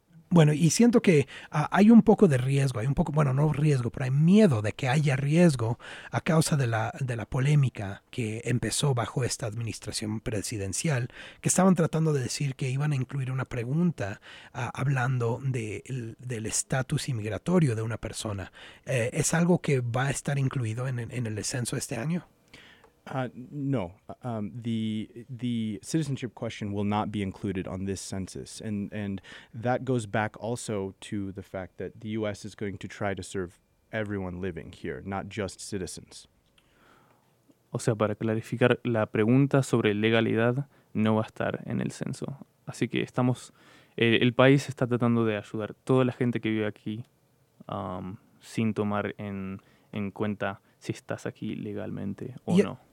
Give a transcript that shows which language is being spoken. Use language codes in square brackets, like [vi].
[es] Bueno, y siento que hay un poco de riesgo, pero hay miedo de que haya riesgo a causa de la polémica que empezó bajo esta administración presidencial, que estaban tratando de decir que iban a incluir una pregunta hablando del estatus inmigratorio de una persona. ¿Es algo que va a estar incluido en el censo este año? [en] No, the citizenship question will not be included on this census. And that goes back also to the fact that the U.S. is going to try to serve everyone living here, not just citizens. [es] O sea, para clarificar, la pregunta sobre legalidad no va a estar en el censo. Así que estamos, el país está tratando de ayudar a toda la gente que vive aquí sin tomar en cuenta si estás aquí legalmente o no.